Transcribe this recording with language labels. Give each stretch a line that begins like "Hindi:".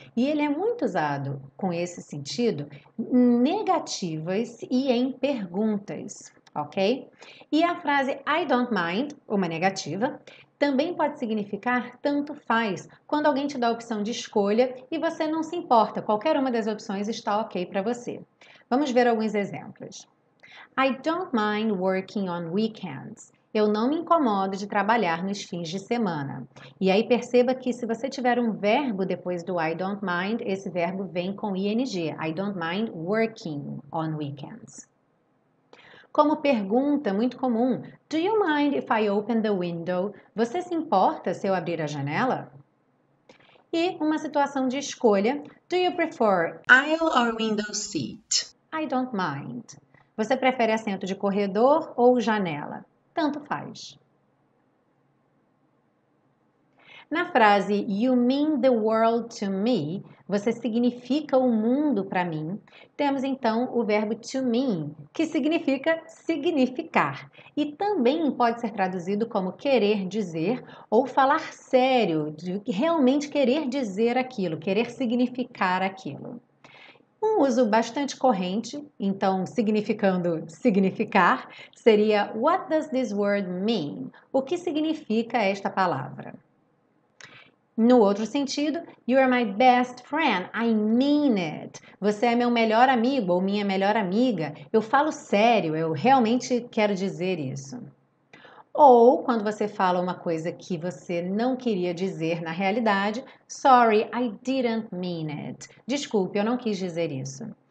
Portuguese: E ele é muito usado com esse sentido em negativas e em perguntas, ok? E a frase
English: I don't mind,
Portuguese: uma negativa, também pode significar tanto faz, quando alguém te dá a opção de escolha e você não se importa, qualquer uma das opções está ok para você. Vamos ver alguns exemplos.
English: I don't mind working on weekends.
Portuguese: Eu não me incomodo de trabalhar nos fins de semana. E aí perceba que se você tiver um verbo depois do
English: I don't mind,
Portuguese: esse verbo vem com ing.
English: I don't mind working on weekends.
Portuguese: Como pergunta muito comum,
English: do you mind if I open the window?
Portuguese: Você se importa se eu abrir a janela? E uma situação de escolha,
English: do you prefer aisle or window seat? I don't mind.
Portuguese: Você prefere assento de corredor ou janela? Tanto faz. Na frase
English: you mean the world to me,
Portuguese: você significa o mundo para mim, temos então o verbo to mean, que significa significar. E também pode ser traduzido como querer dizer ou falar sério, de realmente querer dizer aquilo, querer significar aquilo. Um uso bastante corrente, então significando significar, seria
English: what does this word mean?
Portuguese: O que significa esta palavra?
English: No outro sentido, you are my best friend, I mean it.
Portuguese: Você é meu melhor amigo ou minha melhor amiga. Eu falo sério, eu realmente quero dizer isso. Ou quando você fala uma coisa que você não queria dizer na realidade,
English: sorry, I didn't mean it.
Portuguese: Desculpe, eu não quis dizer isso.